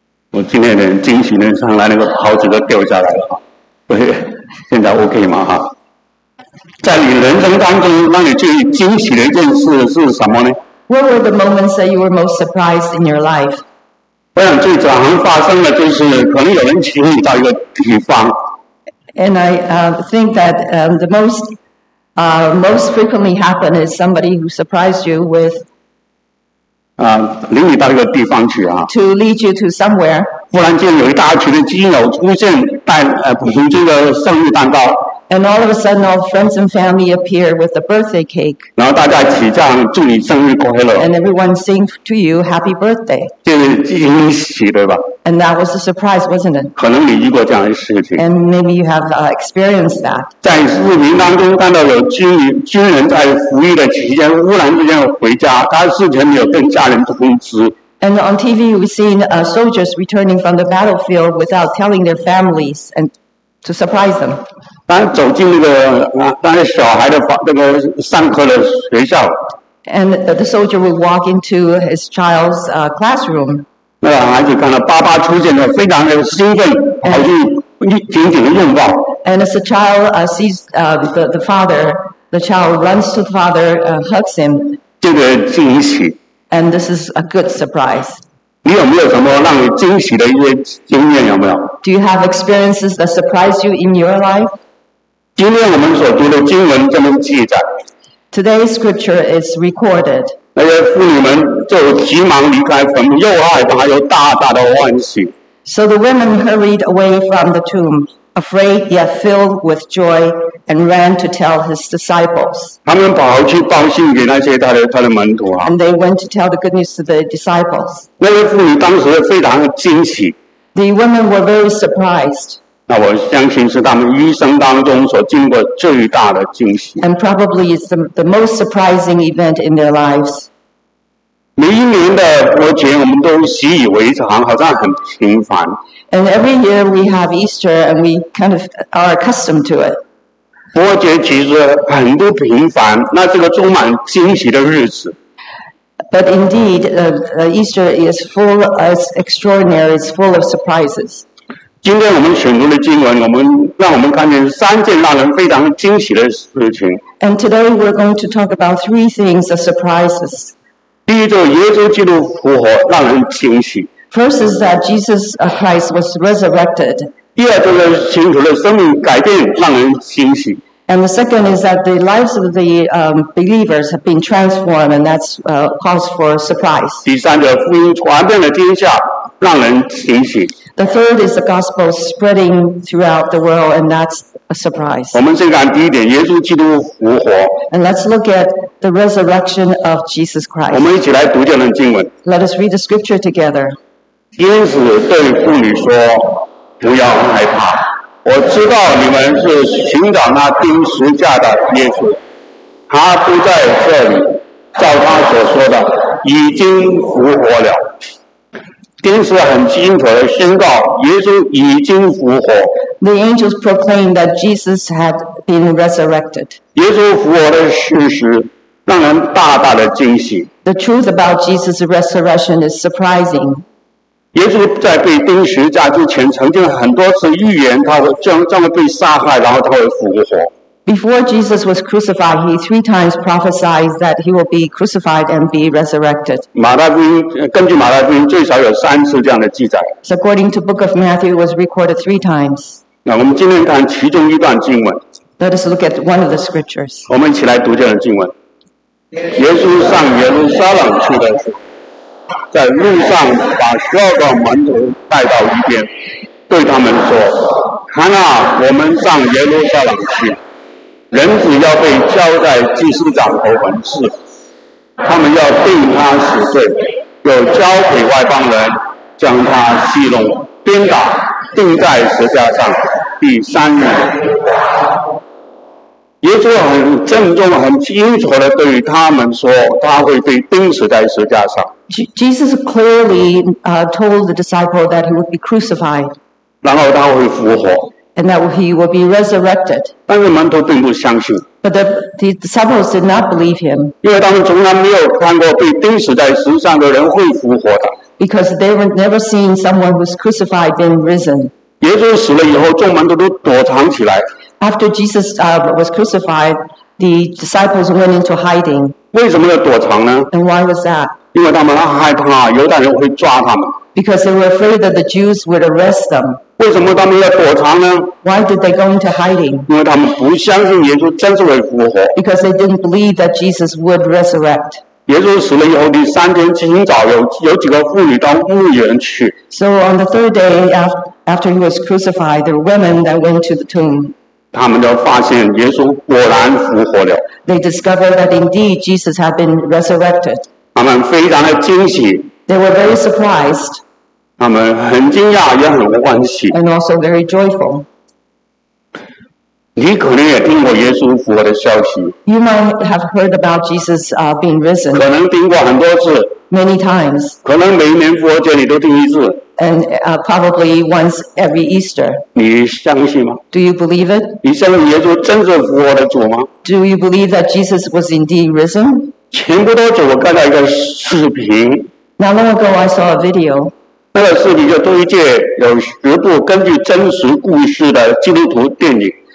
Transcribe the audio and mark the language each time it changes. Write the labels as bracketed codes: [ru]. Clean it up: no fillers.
[en] What were the moments that you were most surprised in your life? And I think that the most frequently happened is somebody who surprised you with [zh] 领你到一个地方去啊, [en] to lead you to somewhere. [zh] 忽然间有一大群的亲友出现, 带, 补充这个圣诞蛋糕, [en] And all of a sudden, all friends and family appear with a birthday cake. [zh] 然后大家起唱，祝你生日快乐。 [en] And everyone sing to you, happy birthday. [zh] 这是惊喜，对吧？ [en] And that was a surprise, wasn't it? [zh] 可能你遇过这样的事情。 [en] And maybe you have experienced that. [zh] 在视频当中看到有军人在服役的期间，忽然之间回家，他事前没有跟家人通知。 [en] And on TV, we've seen soldiers returning from the battlefield without telling their families and to surprise them. [zh] 当走进那个当时小孩的那个上课的学校。 [en] And the soldier would walk into his child's classroom. [zh] 那个孩子看到爸爸出现了，非常的兴奋，跑去紧紧的拥抱。 [en] And as the child sees the father, the child runs to the father, hugs him. [zh] 这个惊喜。 [en] And this is a good surprise. [zh] 你有没有什么让你惊喜的一些经验？有没有 [en] ？Do you have experiences that surprise you in your life? [zh] 今天我们所读的经文这么记载。 [en] Today's scripture is recorded. [zh] 那些妇女们就急忙离开坟墓，又害怕又大大的欢喜。 [en] So the women hurried away from the tomb, afraid yet filled with joy, and ran to tell his disciples. [zh] 他们跑去报信给那些他的门徒啊。 [en] And they went to tell the good news to the disciples. [zh] 那些妇女当时非常惊喜。 [en] The women were very surprised. [zh] 那我相信是他们一生当中所经过最大的惊喜。 [en] And probably it's the most surprising event in their lives. [zh] 每一年的过节，我们都习以为常，好像很平凡。 [en] And every year we have Easter, and we kind of are accustomed to it. [zh] 过节其实很不平凡，那是个充满惊喜的日子。 [en] But indeed, Easter is full of extraordinary, it's full of surprises. [zh] 今天我们选读的经文，让我们看见三件让人非常惊喜的事情。 [en] And today we're going to talk about three things of surprises. [zh] 第一，就耶稣基督复活，让人惊喜。 [en] First is that Jesus Christ was resurrected. [zh] 第二，就是信徒的生命改变，让人惊喜。 [en] And the second is that the lives of the believers have been transformed, and that's cause for surprise. [zh] 第三，就福音传遍了天下，让人惊喜。 [en] The third is the gospel spreading throughout the world, and that's a surprise. [zh] 我们先看第一点，耶稣基督复活。 [en] And let's look at the resurrection of Jesus Christ. [zh] 我们一起来读这段经文。 [en] Let us read the scripture together. [zh] 天使对妇女说：“不要害怕，我知道你们是寻找那钉十架的耶稣，他不在这里，照他所说的，已经复活了。” 天使很清楚地宣告，耶稣已经复活。 [en] The angels proclaimed that Jesus had been resurrected. [zh] 耶稣复活的事实让人大大的惊喜。 [en] The truth about Jesus' resurrection is surprising. [zh] 耶稣在被钉十字架之前，曾经很多次预言他会将会被杀害，然后他会复活。 [en] Before Jesus was crucified, he three times prophesied that he will be crucified and be resurrected. [zh] 根据马大福音最少有三次这样的记载。 [en] So according to Book of Matthew, it was recorded three times. [zh] 那我们今天看其中一段经文。 [en] Let us look at one of the scriptures. [zh] 我们一起来读这段经文。耶稣上耶路撒冷去的时候，在路上把十二个门徒带到一边，对他们说：“看啊，我们上耶路撒冷去。” 人子要被交在祭司长和文士，他们要定他死罪，又交给外邦人，将他戏弄、鞭打、钉在十字架上，第三日。耶稣很郑重、很清楚地对他们说，他会被钉死在十字架上。 [en] Jesus clearly told the disciple that he would be crucified. [zh] 然后他会复活。 [en] And that he will be resurrected. [zh] 但是门徒并不相信。 [en] But the disciples did not believe him. [zh] 因为他们从来没有看过被钉死在十字架上的人会复活的。 [en] Because they had never seen someone who's crucified and risen. [zh] 耶稣死了以后，众门徒都躲藏起来。 [en] After Jesus was crucified, the disciples went into hiding. [zh] 为什么要躲藏呢？ [en] And why was that? [zh] 因为他们害怕犹太人会抓他们。 [en] Because they were afraid that the Jews would arrest them. [zh] 为什么他们要躲藏呢？ [en] Why did they go into hiding? [zh] 因为他们不相信耶稣真是会复活。 [en] Because they didn't believe that Jesus would resurrect. [zh] 耶稣死了以后，第三天清早有几个妇女到墓园去。 [en] So on the third day after he was crucified, there were women that went to the tomb. [zh] 他们就发现耶稣果然复活了。 [en] They discovered that indeed Jesus had been resurrected. [zh] 他们非常的惊喜。 [en] They were very surprised. [zh] 他们很惊讶，也很欢喜。 [en] And also very joyful. [zh] 你可能也听过耶稣复活的消息。 [en] You might have heard about Jesus being risen. [zh] 可能听过很多次。 [en] Many times. [zh] 可能每一年复活节你都听一次。 [en] And probably once every Easter. [zh] 你相信吗？ [en] Do you believe it? [zh] 你相信耶稣真是复活的主吗？ [en] Do you believe that Jesus was indeed risen? [zh] 前不多久我看到一个视频。 [en] Not long ago, I saw a video. [zh] 那个视频就推荐有十部根据真实故事的基督徒电影。